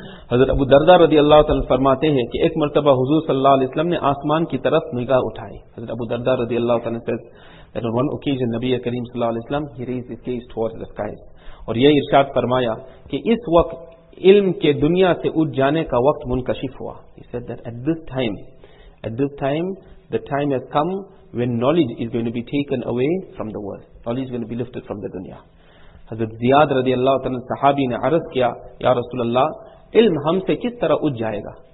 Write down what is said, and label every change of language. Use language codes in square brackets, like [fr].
[ur] حضرت ابو دردہ رضی اللہ تعالیٰ فرماتے ہیں کہ ایک مرتبہ حضور صلی اللہ علیہ وسلم نے آسمان کی طرف نگاہ اٹھائی. حضرت ابو دردہ رضی اللہ تعالیٰ [en] says that on one occasion [ur] نبی کریم صلی اللہ علیہ وسلم [en] he raised his gaze towards the skies [ur] اور یہ ارشاد فرمایا کہ اس وقت علم کے دنیا سے اٹھ جانے کا وقت منکشف ہوا. [en] He said that at this time the time has come when knowledge is going to be taken away from the world. Knowledge is going to be lifted from the dunya. [ur] حضرت زیاد رضی اللہ تعالیٰ صحابی نے عرض کیا یا رسول اللہ علم ہم سے کس طرح اٹھ جائے گا.